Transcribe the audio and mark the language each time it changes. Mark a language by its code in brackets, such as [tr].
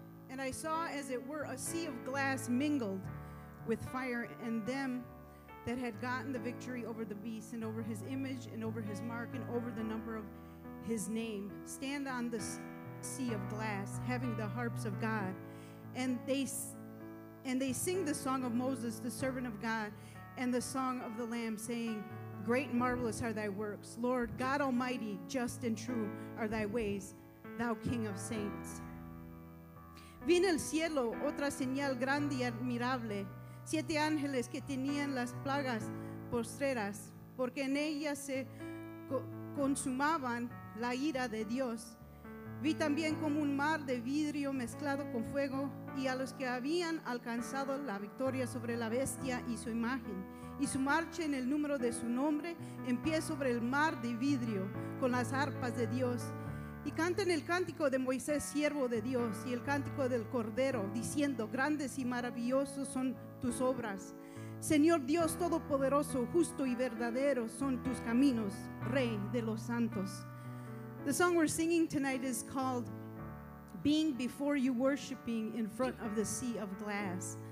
[en] And I saw, as it were, a sea of glass mingled with fire, and them that had gotten the victory over the beast and over his image and over his mark and over the number of his name stand on the sea of glass, having the harps of God, and they sing the song of Moses, the servant of God, and the song of the Lamb, saying, great and marvelous are thy works, Lord God Almighty, just and true are thy ways, thou King of saints. [es] Vi en el cielo otra señal grande y admirable, siete ángeles que tenían las plagas postreras, porque en ellas se consumaban la ira de Dios. Vi también como un mar de vidrio mezclado con fuego, y a los que habían alcanzado la victoria sobre la bestia y su imagen, y su marcha en el número de su nombre, en pie sobre el mar de vidrio, con las arpas de Dios, y cantan el cántico de Moisés, siervo de Dios, y el cántico del Cordero, diciendo, grandes y maravillosos son tus obras, Señor Dios Todopoderoso, justo y verdadero son tus caminos, Rey de los Santos. [en] The song we're singing tonight is called Being Before You, Worshiping in Front of the Sea of Glass.